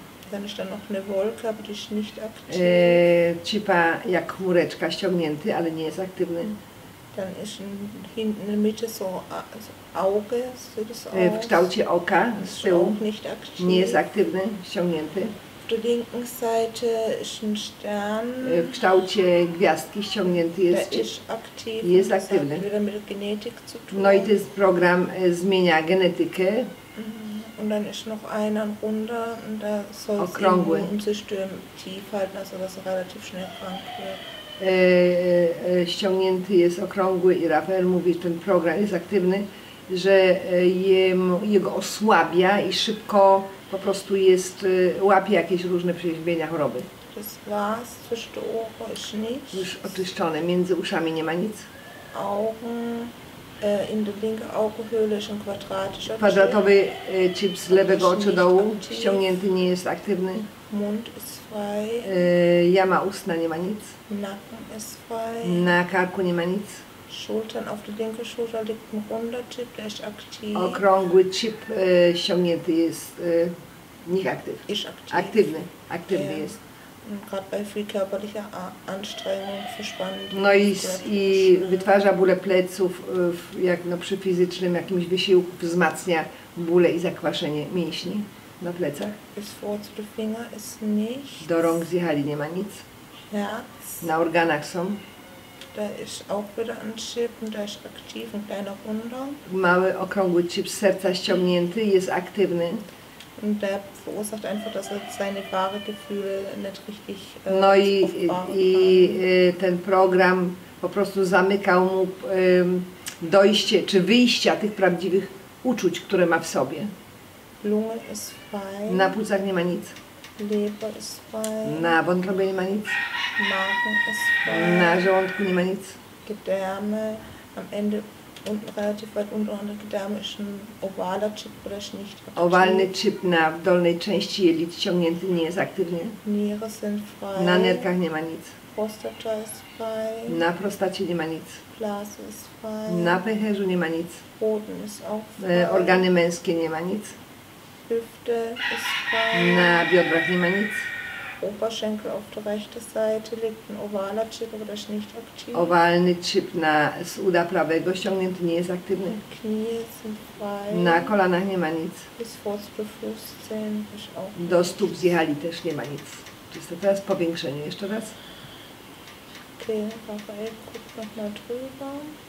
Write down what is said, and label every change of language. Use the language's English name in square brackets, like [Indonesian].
[German] Dann ist da noch eine Wolke, aber die ist nicht aktiv. [Polish] Chipa jak chmureczka ściągnięty, ale nie jest aktywny. [German] Dann ist hinten in der Mitte so Auge, so das Auge. [Polish] W kształcie oka z tyłu. [German] Auch nicht aktiv. [Polish] Nie jest aktywny, ściągnięty. [German] Auf der linken Seite ist ein Stern. [Polish] W kształcie gwiazdki ściągnięty jest. [German] Der ist aktiv. [Polish] Jest aktywny. [German] Das hat wieder mit der Genetik zu tun. [Polish] No i to jest program, zmienia genetykę. [German] Und dann ist noch einer ein runder und da soll es irgendwie um zu stürmen tief halten, also dass er relativ schnell krank wird. [Polish] Ściągnięty jest okrągły i Rafael mówi, że ten program jest aktywny, że jego osłabia i szybko po prostu jest, łapie jakieś różne przeziębienia, choroby. [German] Das war's, zwischen den Ohren ist nichts. [Polish] Już oczyszczone, między uszami nie ma nic. [German] Augen, in der linken Augenhöhle ist ein quadratischer Chip. [Polish] Quadratowy chip z lewego oczu dołu, ściągnięty, nie jest aktywny. [German] Mund ist frei. [Polish] Jama ustna, nie ma nic. [German] Nacken ist frei. [Polish] Na karku nie ma nic. [German] Schultern, auf der linken Schulter liegt ein runder Chip, der ist aktiv. [Polish] Okrągły chip ściągnięty jest, [German] nicht aktiv. Ist aktiv. [Polish] Aktywny, aktywny jest. [German] Gerade bei viel körperlicher Anstrengung, verspannt. [Polish] No i wytwarza bóle pleców, jak no, przy fizycznym jakimś wysiłku wzmacnia bóle i zakwaszenie mięśni. Na plecach. [German] Bis vor zu den Finger ist nichts. [Polish] Do rąk zjechali, nie ma nic. [German] Herz. [Polish] Na organach są. [German] Da ist auch wieder ein Chip und da ist aktiv ein kleiner Runder. [Polish] Mały okrągły chip z serca ściągnięty, jest aktywny. [German] Und der verursacht einfach, dass er seine wahre Gefühle nicht richtig [Polish] no i ten program po prostu zamykał mu dojście czy wyjścia tych prawdziwych uczuć, które ma w sobie. [German] Lunge ist frei. [Polish] Na płucach nie ma nic. [German] Leber ist frei. [Polish] Na wątrobie nie ma nic. [German] Magen ist frei. [Polish] Na żołądku nie ma nic. [German] Gedärme am Ende unten relativ weit unten an der Gedärme ist ein ovaler Chip, oder ist nicht aktiv. [Polish] Owalny chip na dolnej części jelit ciągnięty, nie jest aktywny. [German] Niere sind frei. [Polish] Na nerkach nie ma nic. [German] Prostata ist frei. [Polish] Na prostacie nie ma nic. [German] Blase ist frei. [Polish] Na pęcherzu nie ma nic. [German] Boden ist auch frei. [Polish] Organy męskie nie ma nic. [German] Hüfte ist frei. [Polish] Na biodrach nie ma nic. [German] Oberschenkel auf der rechten Seite liegt ein ovaler Chip, aber das ist nicht aktiv. [Polish] Owalny chip na, z uda prawego ściągnięty, nie jest aktywny. [German] Knie sind frei. [Polish] Na kolanach nie ma nic. [German] Bis vor zu Fußzehen ist auch nicht. [Polish] Do stóp zjechali też nie ma nic. Czyste teraz powiększenie jeszcze raz. [German] Okay, Rafael guck noch mal drüber.